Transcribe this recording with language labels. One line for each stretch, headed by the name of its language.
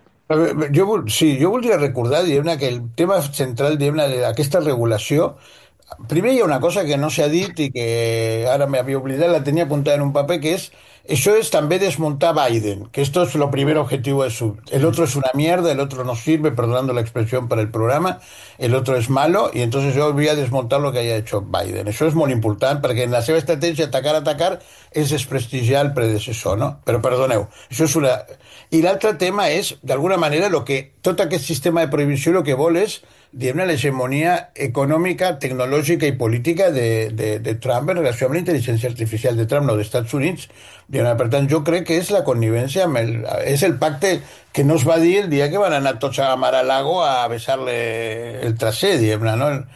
Catalan: Jo voldria recordar, diguem-ne, que el tema central, diguem-ne, d'aquesta regulació, primer hi ha una cosa que no s'ha dit i que ara m'havia oblidat, la tenia apuntada en un paper, que és, això és també desmuntar Biden,
Spanish: que esto es lo primer objetivo de su. El otro es una mierda, el otro no sirve, perdonando la expresión para el programa, el otro es malo, y entonces yo voy a desmontar lo que haya hecho Biden. Eso es muy importante, porque
Catalan: en la seva
Spanish: estrategia atacar, atacar, es desprestigiar al predecesor, ¿no? Pero perdoneu, eso es una. Y el otro tema es, de alguna manera, lo que todo aquel sistema de prohibición lo que vuelve es,
Catalan: diguem-ne, la hegemonia econòmica, tecnològica i política de Trump en relació amb la intel·ligència artificial de Trump, no dels Estats Units. Diguem-ne, per tant, jo crec que és la connivència amb és el pacte que no es va dir el dia que van anar tots a Mar-a-Lago a besar-li el traser, diguem-ne, no?